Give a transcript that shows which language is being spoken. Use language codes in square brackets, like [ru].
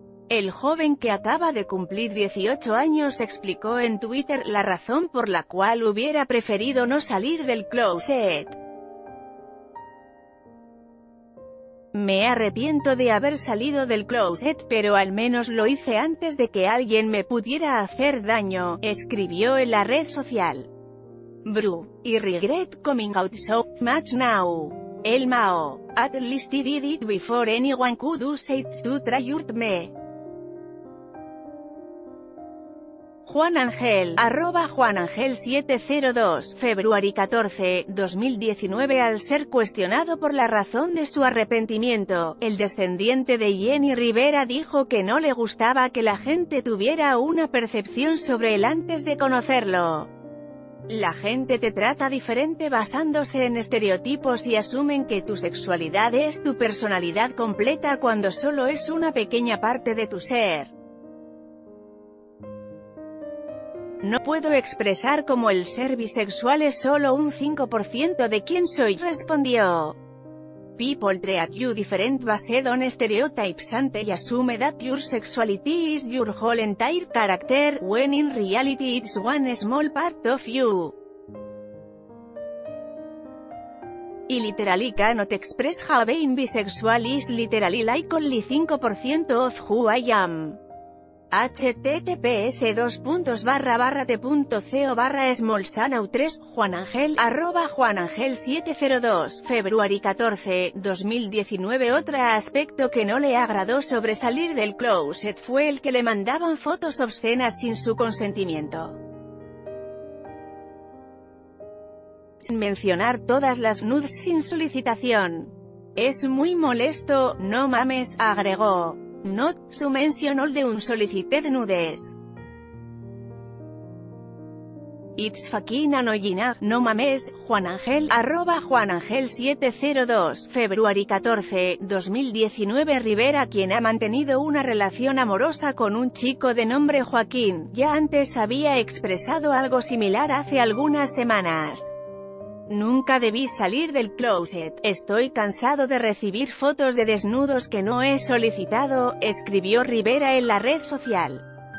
[es] El joven que acaba de cumplir 18 años explicó en Twitter la razón por la cual hubiera preferido no salir del closet. Me arrepiento de haber salido del closet, pero al menos lo hice antes de que alguien me pudiera hacer daño, escribió en la red social. [en] Bru, I regret coming out so much now. El Mao, at least I did it before anyone could do it to try hurt me. [es] Juan Ángel, arroba Juan Ángel 702, [en] February 14, 2019. [es] Al ser cuestionado por la razón de su arrepentimiento, el descendiente de Jenny Rivera dijo que no le gustaba que la gente tuviera una percepción sobre él antes de conocerlo. La gente te trata diferente basándose en estereotipos y asumen que tu sexualidad es tu personalidad completa cuando solo es una pequeña parte de tu ser. No puedo expresar cómo el ser bisexual es solo un 5% de quién soy, respondió. [en] People treat you different based on stereotypes and they assume that your sexuality is your whole entire character, when in reality it's one small part of you. Y literally cannot express how being bisexual is literally like only 5% of who I am. [es] https://t.co/smallsanau3 Juan Ángel, arroba Juan Ángel 702, [en] February 14, 2019. [es] Otro aspecto que no le agradó sobre salir del closet fue el que le mandaban fotos obscenas sin su consentimiento. Sin mencionar todas las nudes sin solicitación. Es muy molesto, no mames, agregó. [en] Not to mention all the unsolicited nudes. It's fucking annoying, [es] no mames, [en] Juan Ángel, arroba Juan Ángel 702, February 14, 2019. [es] Rivera, quien ha mantenido una relación amorosa con un chico de nombre Joaquín, ya antes había expresado algo similar hace algunas semanas. Nunca debí salir del closet, estoy cansado de recibir fotos de desnudos que no he solicitado, escribió Rivera en la red social.